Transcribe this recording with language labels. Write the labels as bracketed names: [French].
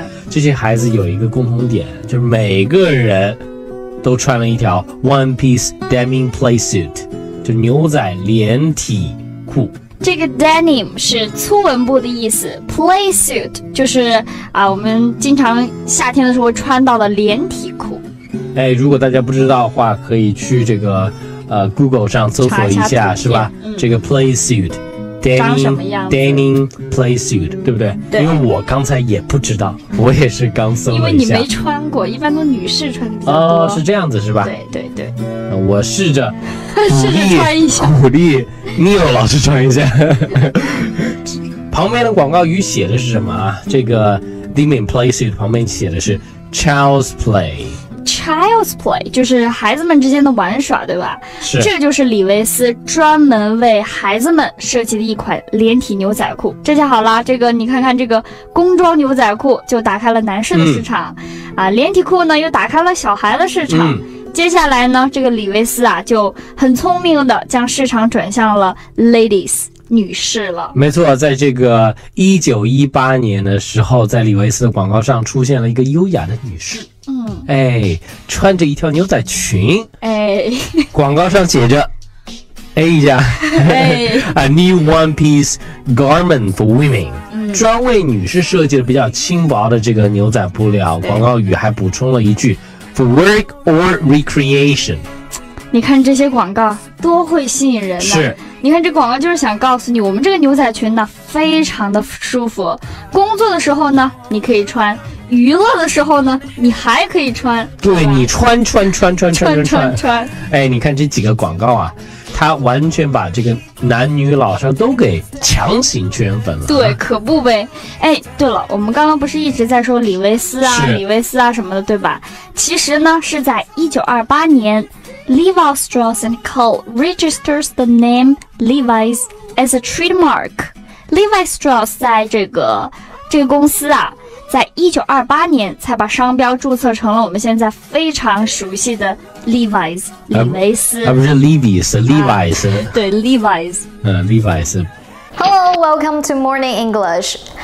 [Chinese] 这些孩子有一个共同点，就是每个人都穿了一条 [English] one piece denim play suit， [Chinese] 就牛仔连体裤。这个 denim 是粗纹布的意思， play suit 就是啊，我们经常夏天的时候穿到的连体裤。哎，如果大家不知道的话，可以去这个Google 上搜索一下，是吧、嗯？这个 [English] play suit， denim play suit， [Chinese] 对不对？对。因为我刚才也不知道，我也是刚搜了一下。因为你没穿过，一般都女士穿的比较多。哦，是这样子是吧？对对对。我试着。试着穿一下，鼓励 Neil 老师穿一下。旁边的广告语写的是什么啊？这个 Demon Play Suit 旁边写的是 [English] Child's Play。 Child's Play [Chinese] 就是孩子们之间的玩耍，对吧？是。这就是李维斯专门为孩子们设计的一款连体牛仔裤。这下好了，这个你看看，这个工装牛仔裤就打开了男士的市场、嗯、啊，连体裤呢又打开了小孩的市场。嗯，接下来呢，这个李维斯啊就很聪明的将市场转向了 ladies 女士了。没错，在这个1918年的时候，在李维斯的广告上出现了一个优雅的女士，嗯，哎，穿着一条牛仔裙，哎，广告上写着哎呀， [English] A new one piece garment for women、嗯、 [Chinese] 专为女士设计的比较轻薄的这个牛仔布料。广告语还补充了一句 [English] For work or recreation， [Chinese] 你看这些广告多会吸引人呢。是，你看这广告就是想告诉你，我们这个牛仔裙呢非常的舒服，工作的时候呢你可以穿，娱乐的时候呢你还可以穿。对，你穿穿穿穿穿穿穿穿。哎，你看这几个广告啊，它完全把这个男女老少都给强行圈粉了。对，可不呗。哎，对了，我们刚刚不是一直在说李维斯啊，李维斯啊什么的，对吧？其实呢，是在1928年 ，Levi Strauss & Co. [English] registers the name Levi's as a trademark. [Chinese] Levi Strauss 在这个公司啊，在1928年才把商标注册成了我们现在非常熟悉的 Levi's 李维斯。啊，不是 Levi's，Levi's。对 ，Levi's。 Levi's。 [English] Hello, welcome to Morning English.